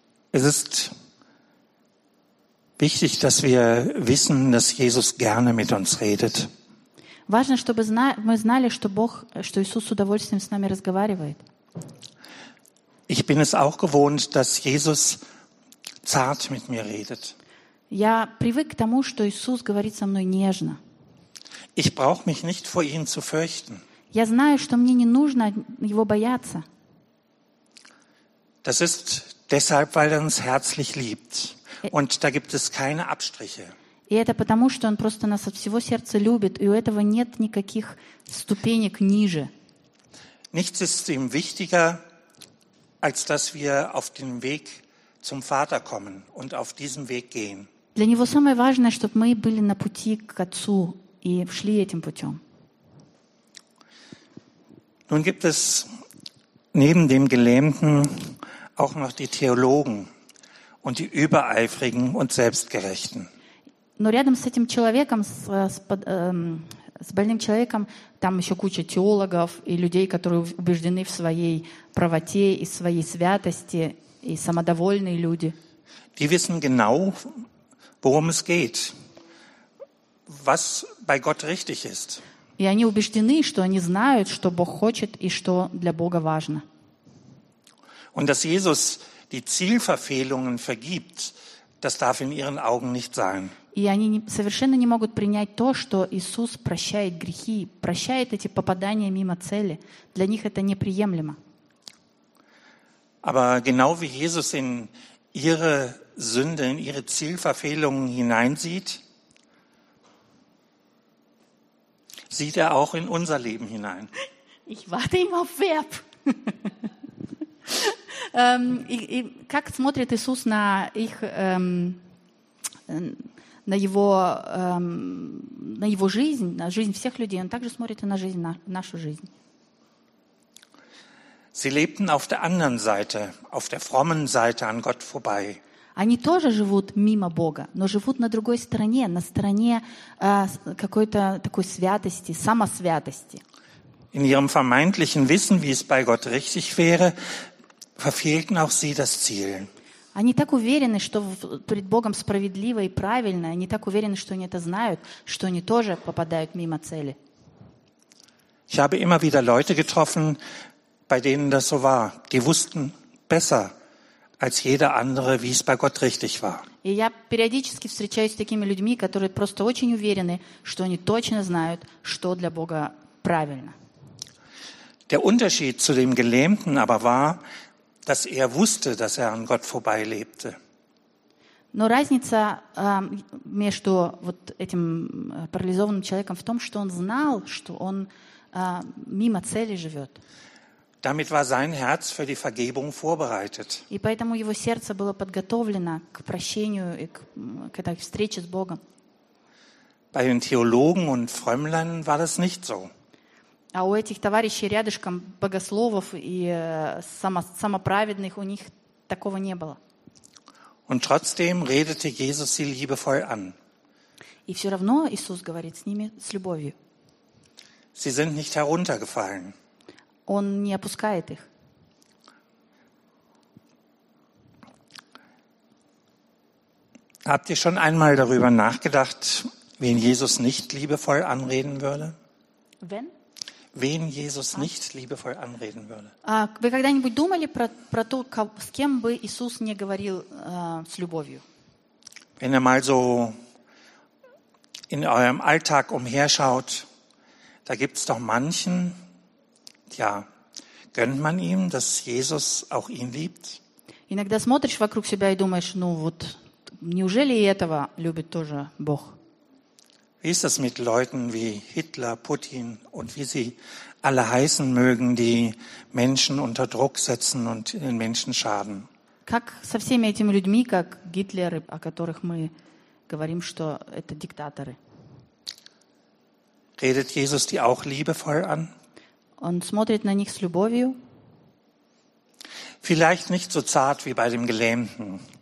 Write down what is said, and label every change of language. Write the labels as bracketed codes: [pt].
[de] Es ist wichtig, dass wir wissen, dass Jesus gerne mit uns redet. [ru] Важно, чтобы мы знали, что Бог, что Иисус с удовольствием с нами разговаривает. [de] Ich bin es auch gewohnt, dass Jesus zart mit mir redet. [ru] Я привык к тому, что Иисус говорит со мной нежно. [de] Ich brauche mich nicht vor ihm zu fürchten. [ru] Я знаю, что мне не нужно его бояться. [de] Das ist deshalb, weil er uns herzlich liebt. Und da gibt es keine Abstriche. [ru] И это потому, что он просто нас от всего сердца любит, и у этого нет никаких ступенек ниже. [de] Nichts ist ihm wichtiger, als dass wir auf den Weg zum Vater kommen und auf diesem Weg gehen. [ru] Для него самое важное, чтобы мы были на пути к Отцу и шли этим путем. [de] Nun gibt es neben dem Gelähmten auch noch die Theologen und die Übereifrigen und Selbstgerechten. [ru] Но рядом с этим человеком, с больным человеком, там еще куча теологов и людей, которые убеждены в своей правоте и своей святости, и самодовольные люди. [de] Die wissen genau, worum es geht, was bei Gott richtig ist. [ru] И они убеждены, что они знают, что Бог хочет и что для Бога важно. [de] Und dass Jesus die Zielverfehlungen vergibt, das darf in ihren Augen nicht sein. [ru] И они совершенно не могут принять то, что Иисус прощает грехи, прощает эти попадания мимо цели. Для них это неприемлемо. [de] Aber genau wie Jesus in ihre Sünde, in ihre Zielverfehlungen hineinsieht, sieht er auch in unser Leben hinein. Ich warte immer auf Verb. [ru] И как смотрит Иисус на их на его жизнь, на жизнь всех людей, он также смотрит и на жизнь, на нашу жизнь. [de] Sie lebten auf der anderen Seite, auf der frommen Seite an Gott vorbei. [ru] Они тоже живут мимо Бога, но живут на другой стороне, на стороне какой-то такой святости, самосвятости. [de] In ihrem vermeintlichen Wissen, wie es bei Gott richtig wäre, verfehlten auch sie das Ziel. [ru] Они так уверены, что перед Богом справедливо и правильно, они так уверены, что они это знают, что они тоже попадают мимо цели. [de] Ich habe immer wieder Leute getroffen, bei denen das so war. Die wussten besser als jeder andere, wie es bei Gott richtig war. [ru] И я периодически встречаюсь с такими людьми, которые просто очень уверены, что они точно знают, что для Бога правильно. [de] Der Unterschied zu dem Gelähmten aber war, dass er wusste, dass er an Gott vorbeilebte. [ru] Но разница между вот этим парализованным человеком в том, что он знал, что он мимо цели живет. [de] Damit war sein Herz für die Vergebung vorbereitet. [ru] И поэтому его сердце было подготовлено к прощению и к этой встрече с Богом. [de] Bei den Theologen und Frömmlern war das nicht so. [ru] А у этих товарищей рядышком богословов и самоправедных у них такого не было. [de] Und trotzdem redete Jesus sie liebevoll an. [ru] И все равно Иисус говорит с ними с любовью. [de] Sie sind nicht heruntergefallen. [ru] Он не опускает их. [de] Habt ihr schon einmal darüber nachgedacht, wen Jesus nicht liebevoll anreden würde? Wenn? wen Jesus nicht liebevoll anreden würde. [ru] Вы когда-нибудь думали про то, с кем бы Иисус не говорил с любовью? [de] Wenn ihr mal so in eurem Alltag umherschaut, da gibt's doch manchen, ja, gönnt man ihm, dass Jesus auch ihn liebt? [ru] Иногда смотришь вокруг себя и думаешь, ну вот, неужели и этого любит тоже Бог? [de] Wie ist das mit Leuten wie Hitler, Putin und wie sie alle heißen mögen, die Menschen unter Druck setzen und den Menschen schaden? [ru] Как со всеми этими людьми, как Гитлеры, о которых мы говорим, что это диктаторы? [de] Redet Jesus die auch liebevoll an? [ru] Он смотрит на них с любовью? [de] Vielleicht nicht so zart wie bei dem Gelähmten.